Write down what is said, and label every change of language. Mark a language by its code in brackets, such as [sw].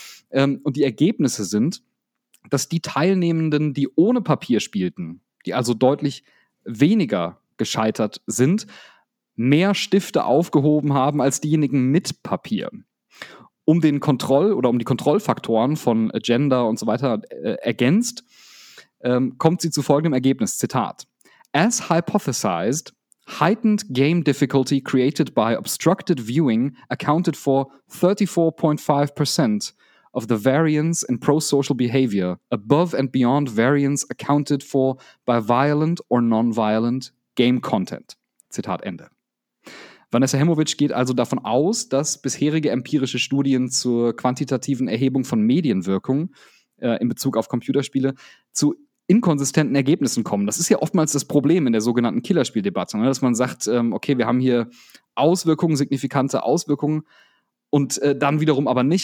[de] Und die Ergebnisse sind, dass die Teilnehmenden, die ohne Papier spielten, die also deutlich weniger gescheitert sind, mehr Stifte aufgehoben haben als diejenigen mit Papier. Um den Kontroll oder um die Kontrollfaktoren von Agenda und so weiter ergänzt, kommt sie zu folgendem Ergebnis. [en] Zitat: As hypothesized, heightened game difficulty created by obstructed viewing accounted for 34.5% of the variance in pro-social behavior above and beyond variance accounted for by violent or non-violent game content. [de] Zitat Ende. Vanessa Hemovic geht also davon aus, dass bisherige empirische Studien zur quantitativen Erhebung von Medienwirkung in Bezug auf Computerspiele zu inkonsistenten Ergebnissen kommen. Das ist ja oftmals das Problem in der sogenannten Killerspieldebatte, ne? Dass man sagt, okay, wir haben hier Auswirkungen, signifikante Auswirkungen, und dann wiederum aber nicht.